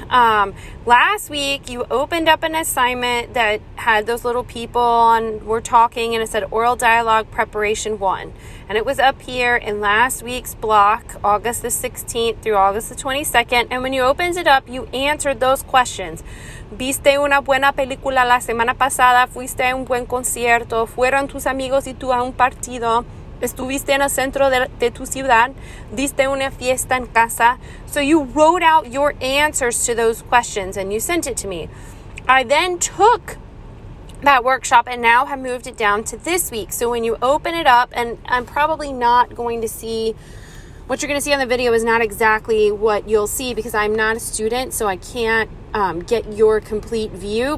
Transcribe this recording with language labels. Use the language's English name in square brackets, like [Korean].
[English] Last week, you opened up an assignment that had those little people and were talking, and it said oral dialogue preparation one. And it was up here in last week's block, August the 16th through August the 22nd. And when you opened it up, you answered those questions. [Spanish] ¿Viste una buena película la semana pasada? ¿Fuiste a un buen concierto? ¿Fueron tus amigos y tú a un partido? ¿Estuviste en el centro de tu ciudad? ¿Diste una fiesta en casa? [English] So you wrote out your answers to those questions and you sent it to me. I then took that workshop and now have moved it down to this week. So when you open it up, and I'm probably not going to see, what you're going to see on the video is not exactly what you'll see because I'm not a student, so I can't get your complete view.